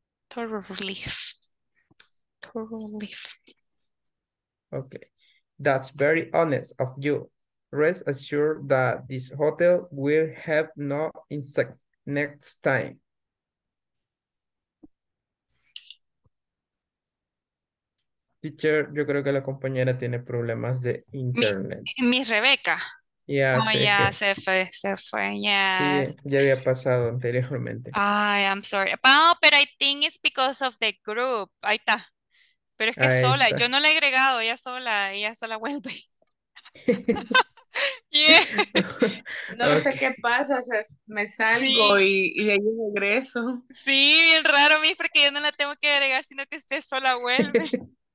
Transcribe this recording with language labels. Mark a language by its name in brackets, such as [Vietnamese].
[English] Totally. Totally. Okay. That's very honest of you. Rest assured that this hotel will have no insects next time. [Spanish] Teacher, yo creo que la compañera tiene problemas de internet. Mi Rebeca. [English] Yeah, [Spanish] oh, ya yeah, se fue, yes. Sí, ya había pasado anteriormente. [English] Ay, I'm sorry. Oh, but I think it's because of the group. [Spanish] Ahí está. Pero es que ahí sola, está. Yo no la he agregado, ella sola vuelve. [English] No okay. [Spanish] Sé qué pasa, o sea, me salgo sí. Y ahí regreso. Sí, bien raro, mis, porque yo no la tengo que agregar, sino que esté sola vuelve.